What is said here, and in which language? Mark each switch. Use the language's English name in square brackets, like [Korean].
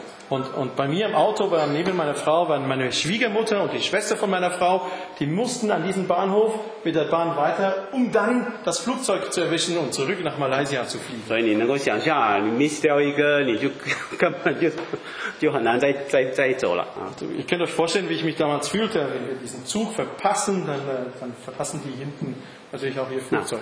[German] und bei mir im Auto war neben meiner Frau waren meine Schwiegermutter und die Schwester von meiner Frau die mussten an diesen Bahnhof mit der Bahn weiter um dann das Flugzeug zu erwischen und zurück nach Malaysia zu fliegen [Chinese] 所以你能够想象啊, 你miss掉一个, 你就根本就很难再走了 [German] ich könnte euch vorstellen wie ich mich damals fühlte wenn wir diesen Zug verpassen dann verpassen die hinten